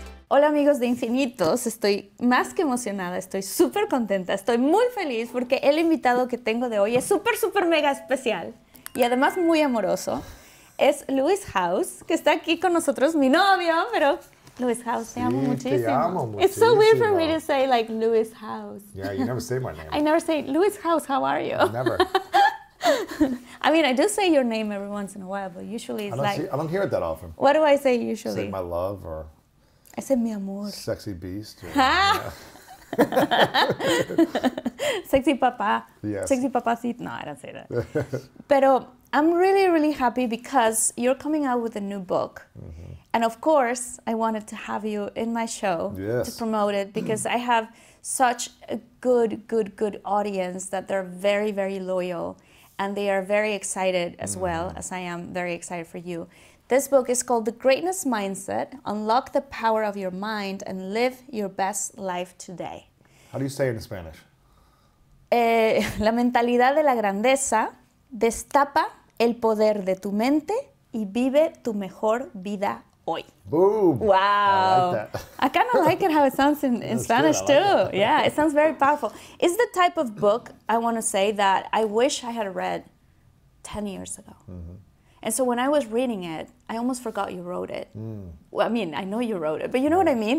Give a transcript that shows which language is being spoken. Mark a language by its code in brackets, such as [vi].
[es] Hola amigos de Infinitos, estoy más que emocionada, estoy súper contenta, estoy muy feliz porque el invitado que tengo de hoy es súper, súper mega especial y además muy amoroso. Es Luis House, que está aquí con nosotros, mi novio, pero Luis House, te sí, amo muchísimo. Te amo muchísimo. [en] It's so weird for me to say like Luis House. Yeah, you never say my name. I never say, Luis House, how are you? Never. I mean, I do say your name every once in a while, but usually it's I don't hear it that often. What do I say usually? Say my love or... I said, [es] mi amor. [en] Sexy beast. Or, Sexy papa. Yes. Sexy papacito. No, I don't say that. Pero I'm really, really happy because you're coming out with a new book. And of course, I wanted to have you in my show to promote it because I have such a good, good, good audience that they're very, very loyal. And they are very excited as well, as I am very excited for you. This book is called The Greatness Mindset, Unlock the Power of Your Mind and Live Your Best Life Today. How do you say it in Spanish? [es] La mentalidad de la grandeza destapa el poder de tu mente y vive tu mejor vida hoy. [en] Boom. Wow. I like that. I kind of like it how it sounds in Spanish good. I like too. That. Yeah, it sounds very powerful. It's the type of book I want to say that I wish I had read 10 years ago. And so when I was reading it, I almost forgot you wrote it. Well, I mean, I know you wrote it, but you know what I mean?